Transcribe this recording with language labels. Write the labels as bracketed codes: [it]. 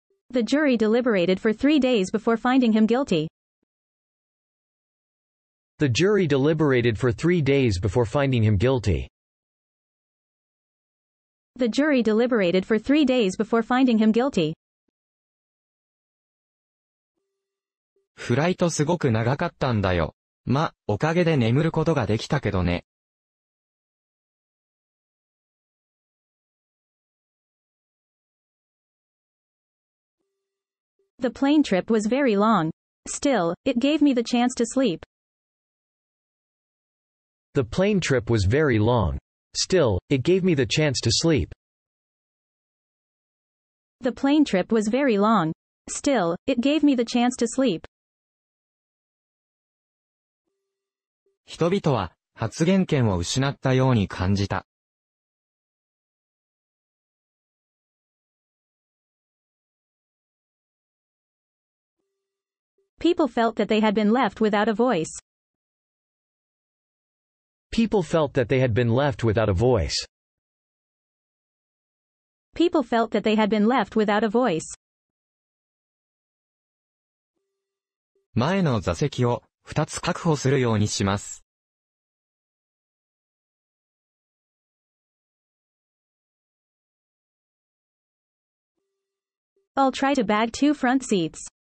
[en] The jury deliberated for 3 days before finding him guilty. The jury deliberated for 3 days before finding him guilty. The jury deliberated for 3 days before finding him guilty. [ja] フライトすごく長かったんだよ。ま、おかげで眠ることができたけどね。 [en] The plane trip was very long. Still, it gave me the chance to sleep. The plane trip was very long. Still, it gave me the chance to sleep. The plane trip was very long. Still, it gave me the chance to sleep. [ja] 人々は発言権を失ったように感じた。 [en] People felt that they had been left without a voice. People felt that they had been left without a voice. People felt that they had been left without a voice. [ja] 前の座席を2つ確保するようにします。 [en] I'll try to bag two front seats.